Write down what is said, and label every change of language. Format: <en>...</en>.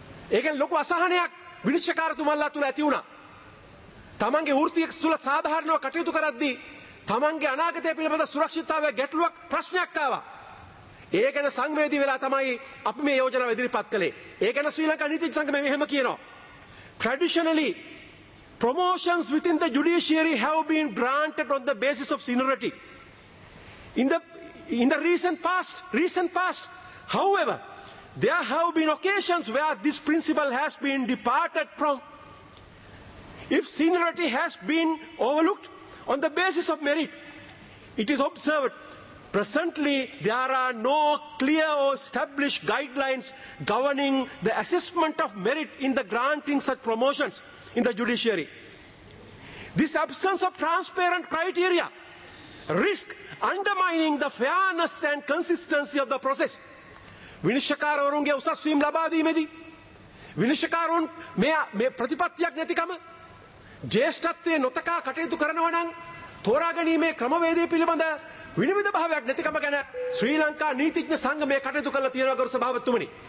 <si>ඒකෙන් ලොකු අසහනයක් විනිශ්චයකාරතුමාලා තුළ ඇති වුණා. තමන්ගේ වෘත්තිය තුළ සාධාරණව කටයුතු කරද්දී තමන්ගේ අනාගතය පිළිබඳ සුරක්ෂිතතාවයේ ගැටලුවක්, ප්‍රශ්නයක් ආවා. ඒ ගැන සංවේදී වෙලා තමයි අපි මේ යෝජනාව ඉදිරිපත් කළේ. ඒ ගැන ශ්‍රී ලංකා නීති සංගමය මෙහෙම කියනවා.</si> <en>Traditionally, promotions within the judiciary have been granted on the basis of seniority. In the recent past, however, there have been occasions where this principle has been departed from. If seniority has been overlooked, on the basis of merit. It is observed presently there are no clear or established guidelines governing the assessment of merit in the granting such promotions in the judiciary. This absence of transparent criteria risks undermining the fairness and consistency of the process.</en> <si>විනිශ්චකාරවරුන්ගේ උසස් වීම් ලබා දීමේදී විනිශ්චකාරවරුන් මේ ප්‍රතිපත්තියක් නැතිකම ජේෂ්ඨත්වයේ නොතකා කටයුතු කරනවා නම් තෝරා ගැනීමේ ක්‍රමවේදය පිළිබඳ විනිවිද භාවයක් නැතිකම ගැන ශ්‍රී ලංකා නීතිඥ සංගමය කටයුතු කළා තියෙනවා ගරු සභාපතිතුමනි.</si>